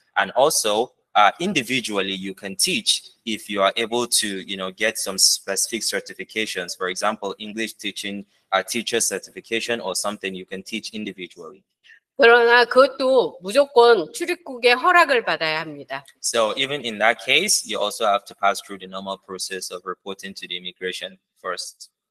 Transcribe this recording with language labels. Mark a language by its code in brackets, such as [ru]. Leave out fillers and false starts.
[en] And also individually you can teach if you are able to, you know, get some specific certifications, for example, English teaching, a teacher certification or something, you can teach individually. [ko] 그러나 그것도 무조건 출입국의 허락을 받아야 합니다. [en] So even in that case, you also have to pass through the normal process of reporting to the immigration first.